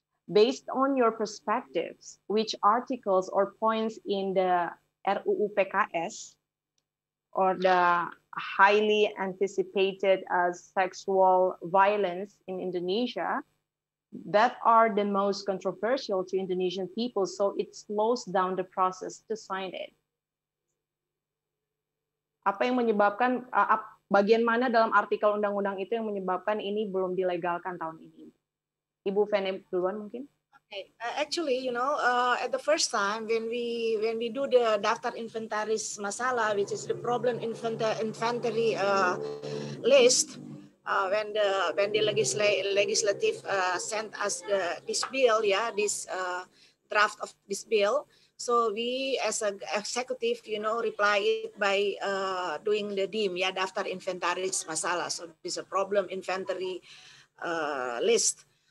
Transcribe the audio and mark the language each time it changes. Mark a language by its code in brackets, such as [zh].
[en] Based on your perspectives, which articles or points in the RUU PKS or the highly anticipated as sexual violence in Indonesia that are the most controversial to Indonesian people, so it slows down the process to sign it. [id] Apa yang menyebabkan bagian mana dalam artikel undang-undang itu yang menyebabkan ini belum dilegalkan tahun ini? Ibu Fene duluan mungkin? [en] Actually, you know, at the first time when we do the [id] daftar inventaris masala, [en] which is the problem inventory list, when the legislative sent us this bill, yeah, this draft of this bill, so we as a executive, you know, reply it by doing the DIM, yeah, daftar inventaris masala, so this is a problem inventory list.